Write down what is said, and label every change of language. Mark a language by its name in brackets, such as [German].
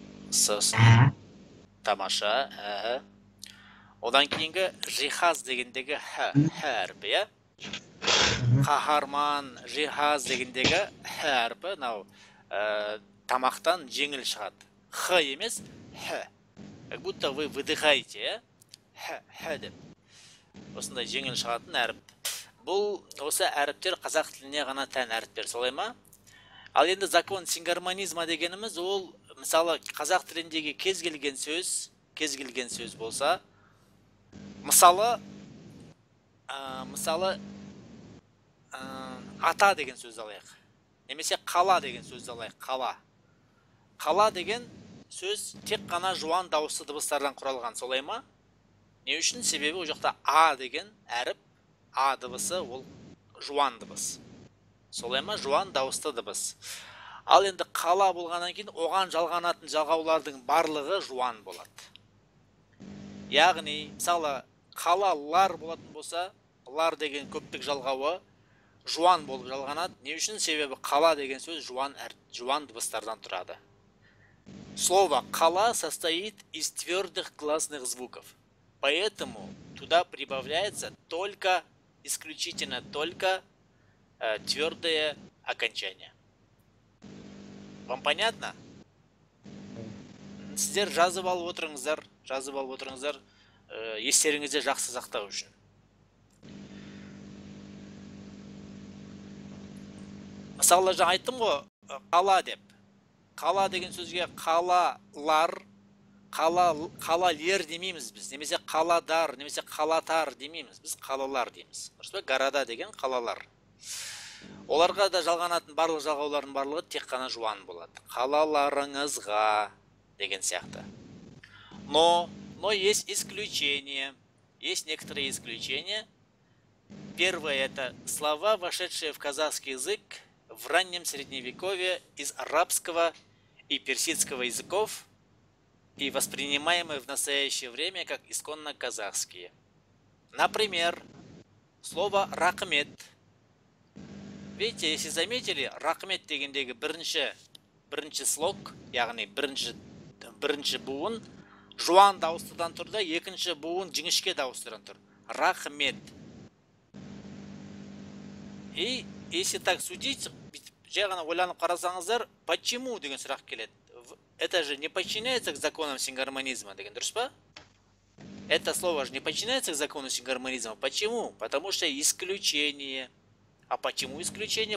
[Kazakh] Сосын тамаша. Одан кейінгі жиһаз дегендегі әрпі, иә? Қаһарман, жиһаз дегендегі әрпі, мынау тамақтан жеңіл шығады. Х емес, х. [Russian] Как будто вы выдыхаете, иә? [Kazakh] Хә деп. Осындай жеңіл шығатын әріп. Бұл осы әріптер қазақ тіліне ғана тән әріптер, солай ма? Ал енді [Russian] закон сингармонизма [Kazakh] дегеніміз, ол мысалы қазақ тіліндегі кез келген сөз болса, мысалы мысалы ата деген сөзді алайық, немесе қала деген сөзді алайық. Қала, қала деген сөз тек қана жуан дауысты дыбыстардан құралған, солай ма? Не үшін? Себебі ол жақта а деген әріп, а дыбысы ол жуан дыбыс, солай ма? Жуан дауысты дыбыс. Ал енді қала болғаннан кейін оған жалғанатын жалғаулардың барлығы жуан болады. Яғни мысалы қалалар болатын болса, лар деген көптік жалғауы жуан болып жалғанады. Не үшін? Себебі қала деген сөз жуан дыбыстардан тұрады. [Russian] Слово «кала» состоит из твердых гласных звуков. Поэтому туда прибавляется только, исключительно только твердое окончание. Вам понятно? [Kazakh] Сіздер жазып алып отырыңыздар, жазып алып отырыңыздар, естеріңізде жақсы сақтау үшін. Мысалы жаңа айттым ғой, қала деп. Қала деген сөзге қалалар, қалалер демейміз біз, немесе қаладар, немесе қалатар демейміз, біз қалалар дейміз. Дұрыс па? Города деген қалалар. Оларға да жалғанатын барлық жалғаулардың барлығы тек қана жуан болады. Қалаларыңызға деген сияқты. [Russian] Но есть исключение. Есть некоторые исключения. Первое – это слова, вошедшие в казахский язык в раннем средневековье из арабского и персидского языков и воспринимаемые в настоящее время как исконно казахские. Например, слово «рахмет». Видите, если заметили, [Kazakh] рахмет дегендегі бірінші слог, яғни бірінші буын жуан дауыстыдан тұр да, екінші буын жіңішке дауыстыдан тұр. Рахмет. [Russian] И если так судить, [Kazakh] жай ғана ойланып қарасаңыздар, почему деген сұрақ келеді. [Russian] Это же не подчиняется к законам сингармонизма [Kazakh] деген, дұрыс па? [Russian] Это слово же не подчиняется к закону сингармонизма. Почему? Потому что исключение. А почему исключение?